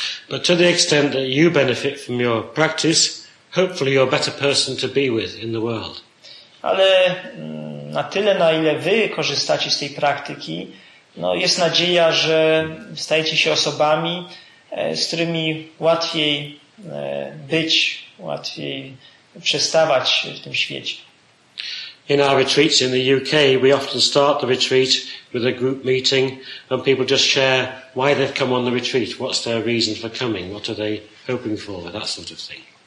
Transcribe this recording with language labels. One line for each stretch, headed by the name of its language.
English: But to the extent that you benefit from your practice, hopefully you're a better person to be with in the world.
Polish: Ale na tyle, na ile wy korzystacie z tej praktyki, no jest nadzieja, że stajecie się osobami, z którymi łatwiej być, łatwiej przestawać w tym świecie.
English: In our retreats in the UK, we often start the retreat with a group meeting and people just share why they've come on the retreat, what's their reason for coming, what are they hoping for, that sort of thing.